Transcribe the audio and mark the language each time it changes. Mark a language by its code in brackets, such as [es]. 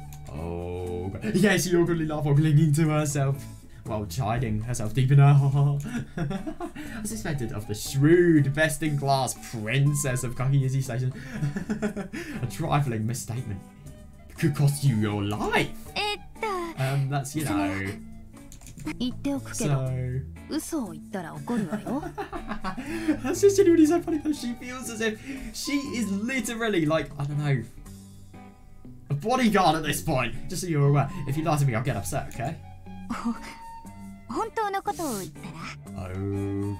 [en] Oh god. Yeah, she awkwardly laughed while clinging to herself, while chiding herself deep in her heart. As expected of the shrewd, best in class princess of Kakiyuchi Station, a trifling misstatement could cost you your life. That's, you know. [ja] 言っておくけど、嘘を言ったら怒るわよ。 [en] That's just really so funny that she feels as if she is literally like, I don't know, a bodyguard at this point. Just so you're aware, if you lie to me, I'll get upset, okay? [ja] 本当のことを言ったら。